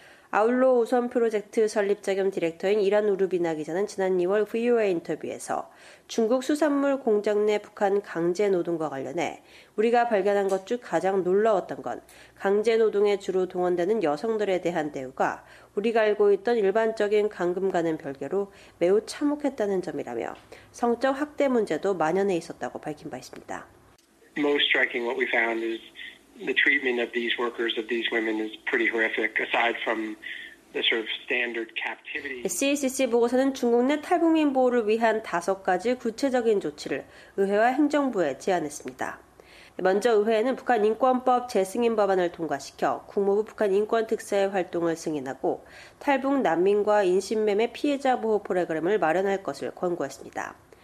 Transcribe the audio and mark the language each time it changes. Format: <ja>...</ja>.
<ko>아울로 우선 프로젝트 설립자 겸 디렉터인 이란 우르비나 기자는 지난 2월 VOA 인터뷰에서 중국 수산물 공장 내 북한 강제 노동과 관련해 우리가 발견한 것 중 가장 놀라웠던 건 강제 노동에 주로 동원되는 여성들에 대한 대우가 우리가 알고 있던 일반적인 감금과는 별개로 매우 참혹했다는 점이라며 성적 학대 문제도 만연해 있었다고 밝힌 바 있습니다.</ko> <en>Most striking what we found is the treatment of these workers, of these women is pretty horrific, aside from the sort of standard captivity.</en> <ko>CCC 보고서는 중국 내 탈북민 보호를 위한 다섯 가지 구체적인 조치를 의회와 행정부에 제안했습니다. 먼저 의회는 북한 인권법 재승인 법안을 통과시켜 국무부 북한 인권특사의 활동을 승인하고 탈북 난민과 인신매매 피해자 보호 프로그램을 마련할 것을 권고했습니다.</ko>